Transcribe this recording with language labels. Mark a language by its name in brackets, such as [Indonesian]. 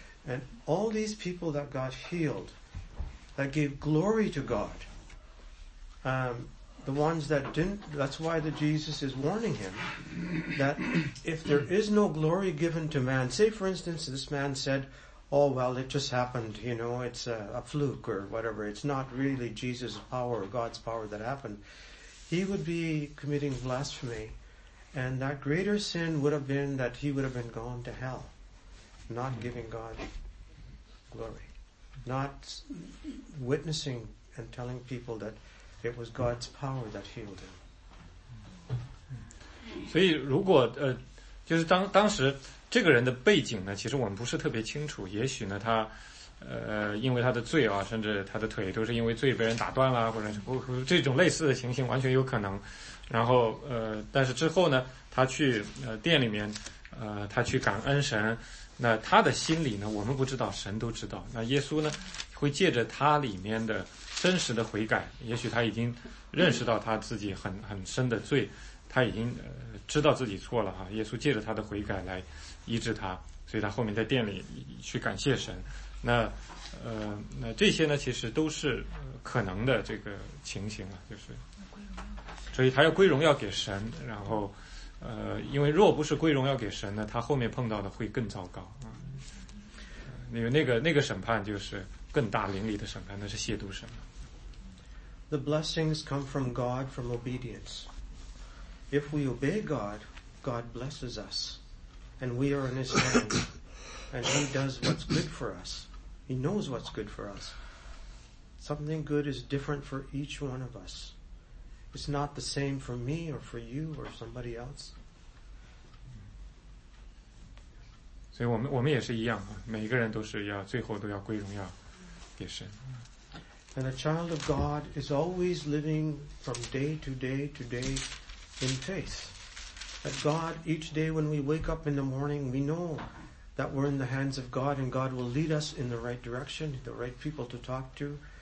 [English] And all these people that got healed, that gave glory to God, the ones that didn't, that's why the Jesus is warning him that if there is no glory given to man, say for instance, this man said, oh well, it just happened, you know, it's a fluke or whatever, it's not really Jesus' power or God's power that happened, he would be committing blasphemy, and that greater sin would have been that he would have been gone to hell. Not giving God glory, not witnessing and telling people that it was God's power that healed him. [Chinese] 所以如果就是当时这个人的背景呢，其实我们不是特别清楚，也许呢他因为他的罪啊，甚至他的腿都是因为罪被人打断了，或者是这种类似的情形完全有可能。然后但是之后呢他去殿里面他去感恩神，那他的心里呢我们不知道，神都知道。那耶稣呢会借着他里面的真实的悔改，也许他已经认识到他自己很深的罪，他已经知道自己错了哈，耶稣借着他的悔改来医治他，所以他后面在殿里去感谢神。那这些呢其实都是可能的这个情形啊，就是所以他要归荣耀给神，然后因为若不是归荣耀给神呢，他后面碰到的会更糟糕啊，因为那个审判就是更大灵力的审判，那是亵渎神。 [English] The blessings come from God from obedience. If we obey God, God blesses us, and we are in His hand, and He does what's good for us. He knows what's good for us. Something good is different for each one of us. It's not the same for me or for you or somebody else. [Chinese] 所以我们也是一样啊，每个人都是要最后都要归荣耀给神。 [English] And a child of God is always living from day to day to day in faith. That God, each day when we wake up in the morning, we know that we're in the hands of God and God will lead us in the right direction, the right people to talk to.